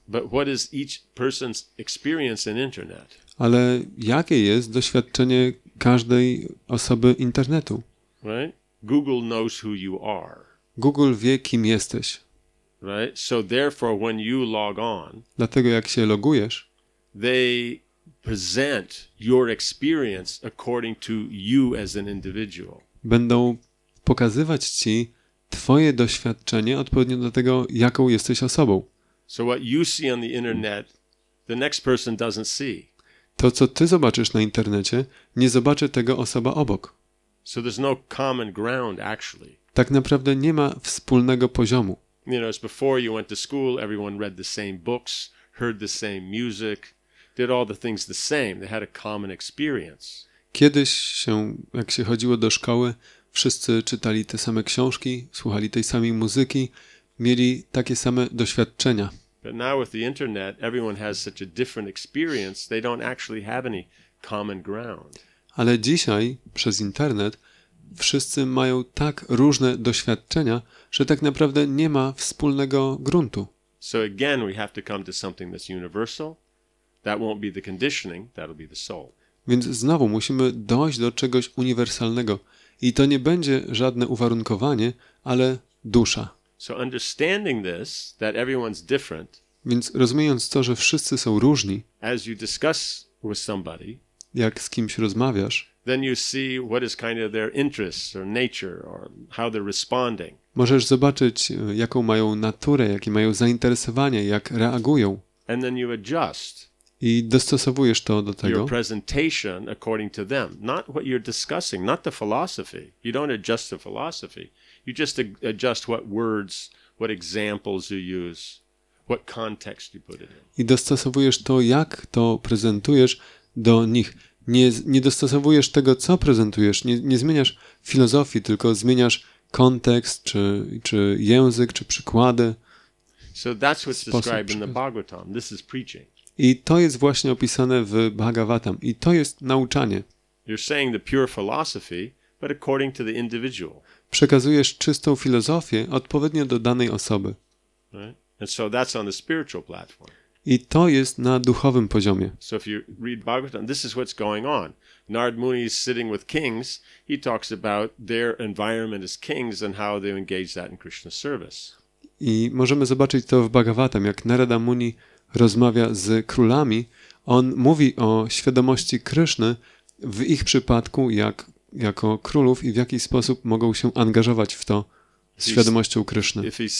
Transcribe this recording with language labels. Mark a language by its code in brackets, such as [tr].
[en] but what is each person's experience in internet? [pl] Ale jakie jest doświadczenie każdej osoby internetu? [en] Right? Google knows who you are. [pl] Google wie, kim jesteś. [en] Right? So therefore when you log on, [pl] dlatego jak się logujesz, [en] they present your experience according to you as an individual. [pl] Będą pokazywać ci twoje doświadczenie odpowiednio do tego, jaką jesteś osobą. [en] So what you see on the internet, the next person doesn't see. [pl] To, co ty zobaczysz na internecie, nie zobaczy tego osoba obok. [en] So there's no common ground, actually. [pl] Tak naprawdę nie ma wspólnego poziomu. [en] You know, as before you went to school, everyone read the same books, heard the same music, did all the things the same. They had a common experience. [pl] Kiedyś się, jak się chodziło do szkoły, wszyscy czytali te same książki, słuchali tej samej muzyki, mieli takie same doświadczenia. [en] But now with the internet, everyone has such a different experience, they don't actually have any common ground. [pl] Ale dzisiaj, przez internet, wszyscy mają tak różne doświadczenia, że tak naprawdę nie ma wspólnego gruntu. [en] So again, we have to come to something that's universal. That won't be the conditioning, that'll be the soul. [pl] Więc znowu musimy dojść do czegoś uniwersalnego. I to nie będzie żadne uwarunkowanie, ale dusza. [en] So understanding this, that everyone's different, [pl] więc rozumiejąc to, że wszyscy są różni, [en] as you discuss with somebody, [pl] jak z kimś rozmawiasz, [en] then you see what is kind of their interests or nature or how they're responding. [pl] Możesz zobaczyć, jaką mają naturę, jakie mają zainteresowania, jak reagują. [en] And then you adjust. [pl] I dostosowujesz to do tego. [en] Your presentation according to them, not what you're discussing, not the philosophy. You don't adjust the philosophy. You just adjust what words, what examples you use, what context you put it in. [pl] I dostosowujesz to, jak to prezentujesz do nich. Nie dostosowujesz tego, co prezentujesz. Nie zmieniasz filozofii, tylko zmieniasz kontekst, czy język, czy przykłady. [en] So that's what's described in the Bhagavatam. This is preaching. [pl] I to jest właśnie opisane w Bhagavatam. I to jest nauczanie. [en] You're saying the pure philosophy, but according to the individual. [pl] Przekazujesz czystą filozofię odpowiednio do danej osoby. [en] Right? And so that's on the spiritual platform. [pl] I to jest na duchowym poziomie. [en] So if you read Bhagavatam, this is what's going on. Narad Muni is sitting with kings. He talks about their environment as kings and how they engage that in Krishna's service. [pl] I możemy zobaczyć to w Bhagavatam, jak Narada Muni rozmawia z królami. On mówi o świadomości Kryszny w ich przypadku, jako królów i w jaki sposób mogą się angażować w to z świadomością Kryszny.